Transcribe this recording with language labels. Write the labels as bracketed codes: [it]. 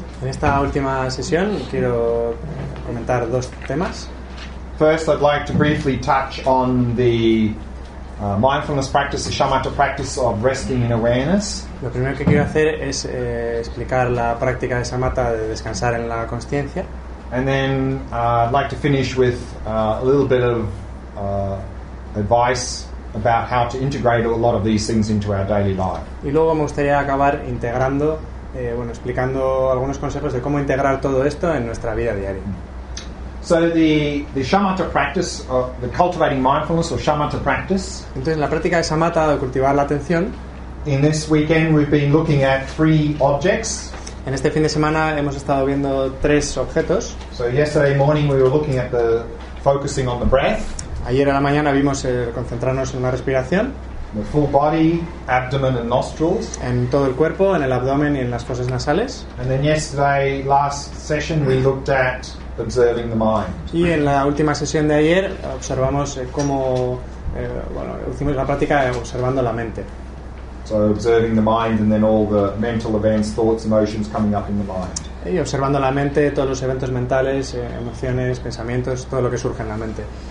[es] En esta última sesión quiero comentar dos temas. [en] First, I'd like to briefly touch on the mindfulness practice, the shamatha practice of resting in awareness. [es] Lo primero que quiero hacer es explicar la práctica de shamatha de descansar en la consciencia. [en] And then I'd like to finish with a little bit of advice about how to integrate a lot of these things into our daily life. [es] Y luego me gustaría acabar integrando, explicando algunos consejos de cómo integrar todo esto en nuestra vida diaria. [en] So the shamatha practice, or the cultivating mindfulness or shamatha practice. [es] Entonces la práctica de shamatha, de cultivar la atención. [en] In this weekend we've been looking at three objects. [es] En este fin de semana hemos estado viendo tres objetos. [en] So yesterday morning we were looking at the focusing on the breath. [es] Ayer a la mañana vimos concentrarnos en la respiración. [en] The full body, abdomen and nostrils. [es] En todo el cuerpo, en el abdomen y en las fosas nasales. [en] And then yesterday, last session, we looked at observing the mind. [es] Y en la última sesión de ayer observamos cómo hicimos la práctica observando la mente. [en] So observing the mind and then all the mental events, thoughts, emotions coming up in the mind. [es] Y observando la mente, todos los eventos mentales, emociones, pensamientos, todo lo que surge en la mente.